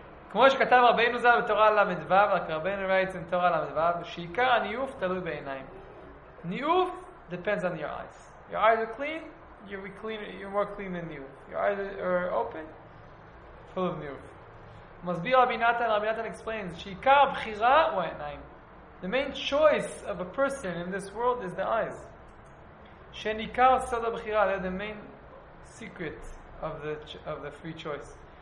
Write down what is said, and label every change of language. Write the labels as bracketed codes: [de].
[he] כמו שכתב רבינו זה בתורה למדבב, רק רבינו [en] writes in [he] תורה למדבב, שעיקר הניאוף תלוי בעיניים. [en] ניאוף depends on your eyes. Your eyes are clean, you're more clean than ניאוף. Your eyes are open, full of ניאוף. [he] מסביר רבי נתן [en] explains, [he] שעיקר הבחירה הוא העיניים. [en] The main choice of a person in this world is the eyes. [he] שניכר סוד הבחירה, [en] they're the main secret of the free choice.